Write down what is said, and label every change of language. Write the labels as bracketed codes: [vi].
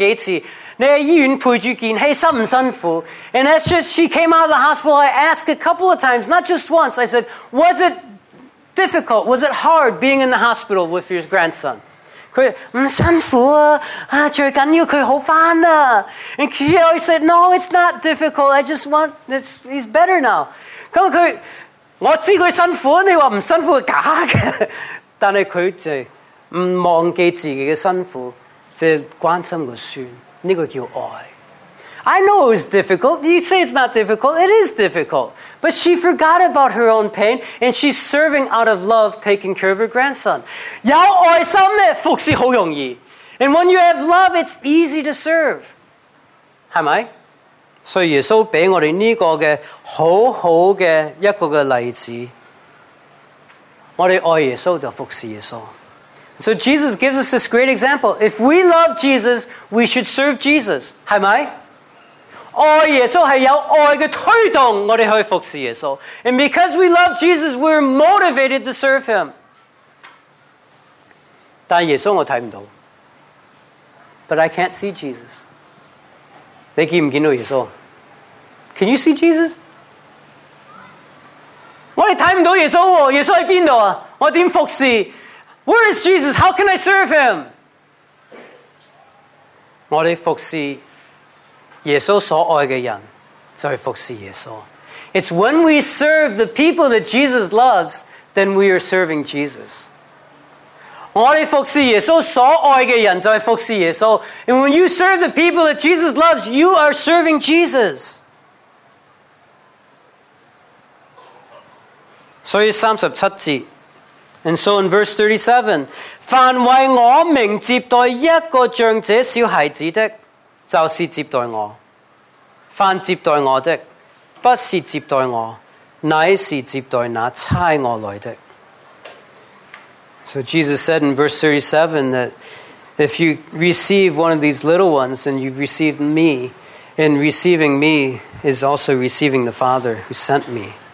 [zh] 跟着她出院，我问过她几次，不是只一次，你在医院陪着健熙辛不辛苦？ [en] And as she came out of the hospital, I asked a couple of times, not just once, I said, was it difficult, was it hard being in the hospital with your grandson? [zh] 她说不辛苦，最重要她好回来。 [en] And she always said, no, it's not difficult, I just want, he's better now. [zh] 她说我知道她辛苦，你说不辛苦是假的。但是她就不忘记自己的辛苦，只关心个孙，这个叫爱。 [en] I know it was difficult, you say it's not difficult, it is difficult. But she forgot about her own pain, and she's serving out of love, taking care of her grandson. [zh] 有爱心呢，服侍好容易。 [en] And when you have love, it's easy to serve. [zh] 是吗？所以耶稣给我们这个好好的一个例子。 我们爱耶稣就服侍耶稣。 [en] So Jesus gives us this great example. If we love Jesus, we should serve Jesus. [zh] 是吗? 爱耶稣是有爱的推动我们去服侍耶稣. [en] And because we love Jesus, we're motivated to serve Him. [zh] 但耶稣我看不到. [en] But I can't see Jesus. [zh] 你看不见到耶稣? [en] Can you see Jesus? [zh] 我们看不到耶稣, 耶稣在哪里? 我怎么服侍? [en] Where is Jesus? How can I serve Him? [zh] 我们服侍耶稣所爱的人, 就是服侍耶稣. [en] It's when we serve the people that Jesus loves, then we are serving Jesus. [zh] 我们服侍耶稣所爱的人, 就是服侍耶稣. [en] And when you serve the people that Jesus loves, you are serving Jesus. [zh] 所以37节, [en] and so in verse 37, [zh] 凡为我名接待一个长者小孩子的,就是接待我。凡接待我的,不是接待我, 乃是接待那差我来的。 [en] So Jesus said in verse 37 that if you receive one of these little ones, then you've received me, and receiving me is also receiving the Father who sent me.